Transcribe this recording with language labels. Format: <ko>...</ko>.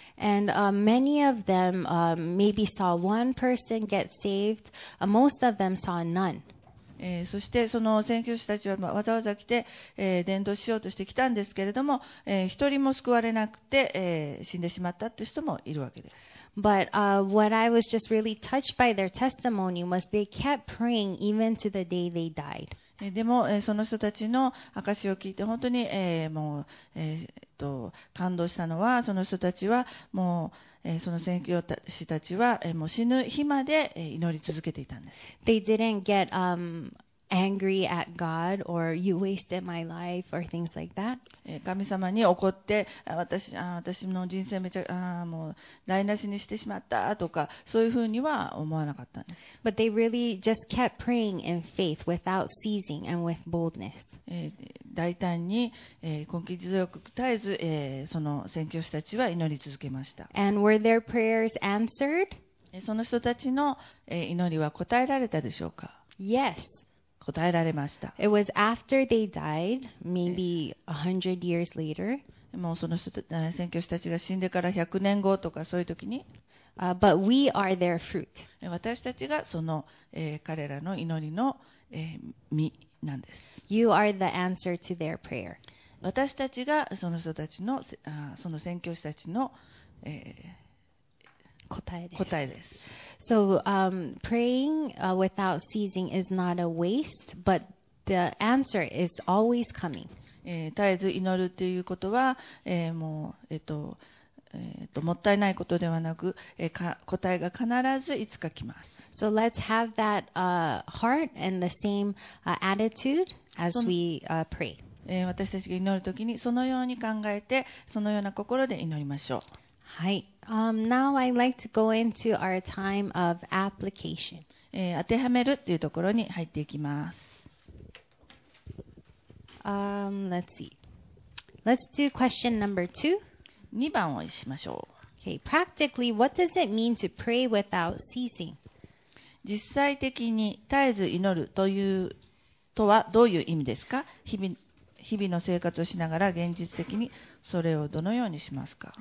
<en>And many of them maybe saw one person get saved. Most of them saw none.</en> <ja>そしてその宣教師たちはわざわざ来て、伝道しようとしてきたんですけれども、一人も救われなくて、死んでしまったという人もいるわけです。</ja> <en>But, what I was just really touched by their testimony was they kept praying even to the day they died.</en> <ja>でも、その人たちの証を聞いて本当に、もう、感動したのは、その人たちはもうその宣教師たちはもう死ぬ日まで祈り続けていたんです。</ja> <en>They didn't get, angry at God or you wasted my life or things like that.</en> <ja>神様に怒って私の人生めちゃもう台無しにしてしまったとかそういうふうには思わなかったんです。</ja> <en>But they really just kept praying in faith without ceasing and with boldness.</en> <ja>大胆に根気強く絶えずその宣教師たちは祈り続けました。</ja> <en>And were their prayers answered?</en> <ja>その人たちの祈りは答えられたでしょうか?</ja> <en>Yes.</en> <ja>答えられました。</ja> <en>It was after they died, maybe 100 years later.</en> <ja>もうその宣教師たちが死んでから100年後とかそういう時に。</ja> <en>But we are their fruit.</en> <ja>私たちがその、彼らの祈りの、実なんです。</ja> <en>You are the answer to their prayer.</en> <ja>私たちがその人たちの、その宣教師たちの、答えです。</ja> <en>So, praying without ceasing is not a waste, but the answer is always coming.</en> <ja>絶えず祈るということは、もう、もったいないことではなく、答えが必ずいつか来ます。</ja> <en>So let's have that, heart and the same, attitude as we, pray.</en> <ja>私たちが祈るときにそのように考えて、そのような心で祈りましょう。はい。</ja> <en>Now I'd like to go into our time of application.</en> <ja>当てはめるっていうところに入っていきます。</ja> <en>Let's see. Let's do question number two.</en> <ja>2番をしましょう。 Okay.</ja> <en>Practically, what does it mean to pray without ceasing?</en> <ja>実際的に絶えず祈るというとはどういう意味ですか? 日々の生活をしながら現実的にそれをどのようにしますか?</ja>